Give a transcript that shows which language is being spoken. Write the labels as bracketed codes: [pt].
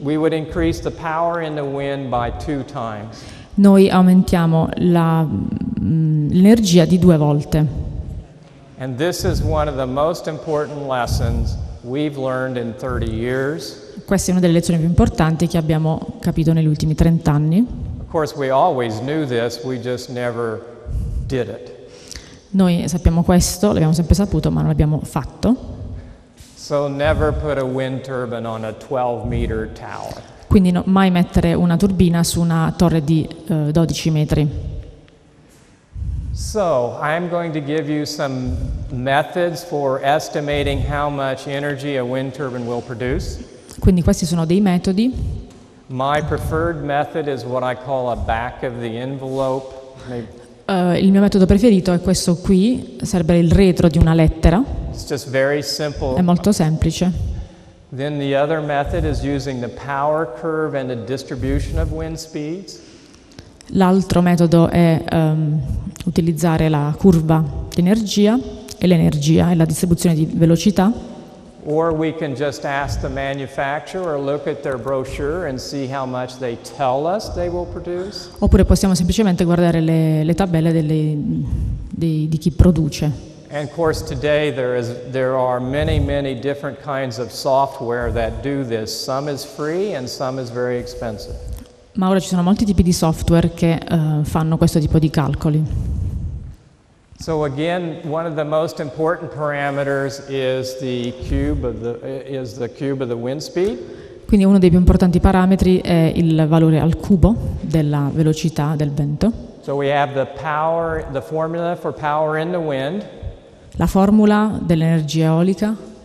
[en] We would increase the power in the wind by 2 times. [it] Noi aumentiamo l'energia di 2 volte. [en] And this is one of the most important lessons we've learned in 30 years. [it] Questa è una delle lezioni più importanti che abbiamo capito negli ultimi 30 anni. [en] Of course, we always knew this, we just never did it. [it] Noi sappiamo questo, l'abbiamo sempre saputo, ma non l'abbiamo fatto. [en] So never put a wind turbine on a 12-meter tower. [it] Quindi no, mai mettere una turbina su una torre di 12 metri. [en] So, I'm going to give you some methods for estimating how much energy a wind turbine will produce. [it] Quindi questi sono dei metodi. [en] My preferred method is what I call a back of the envelope. Maybe. [it] Il mio metodo preferito è questo qui, sarebbe il retro di una lettera. [en] It's just very simple. [it] È molto semplice. [en] Then the other method is using the power curve and the distribution of wind speeds. [it] L'altro metodo è utilizzare la curva d'energia e l'energia e la distribuzione di velocità. [en] Or we can just ask the manufacturer, look at their brochure and see how much they tell us they will produce. [it] Oppure possiamo semplicemente guardare le tabelle di chi produce. [en] And of course today there are many different kinds of software that do this. Some is free and some is very expensive. [it] Ma ora ci sono molti tipi di software che fanno questo tipo di calcoli. [en] So again, one of the most important parameters is the cube of the wind speed. [it] Quindi uno dei più importanti parametri è il valore al cubo della velocità del vento. [en] So we have the formula for power in the wind. [it] La formula dell'energia eolica.